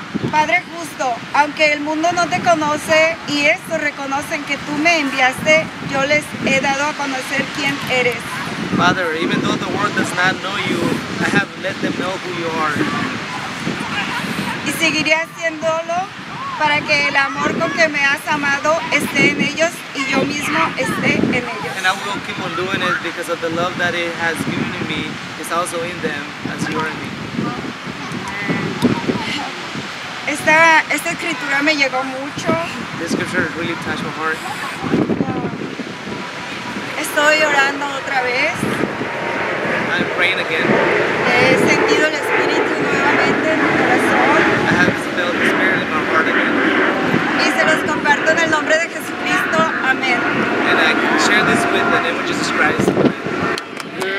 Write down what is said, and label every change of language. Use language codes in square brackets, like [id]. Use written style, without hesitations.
[es] Padre justo, aunque el mundo no te conoce y estos reconocen que tú me enviaste, yo les he dado a conocer quién eres. [en] Father, even though the world does not know you, I have let them know who you are. [es] Y seguiré haciéndolo para que el amor con que me has amado esté en ellos y yo mismo esté en ellos. [en] And I will keep on doing it because of the love that it has given in me is also in them as you are in me. [es] Esta escritura me llegó mucho. [en] This scripture really touched my heart. [es] Estoy orando otra vez. [en] I'm praying again. [es] He sentido el Espíritu nuevamente en mi corazón. [en] I have felt the Spirit in my heart again. [es] Y se los comparto en el nombre de Jesucristo. Amén. [en] And I can share this with the name of Jesus Christ.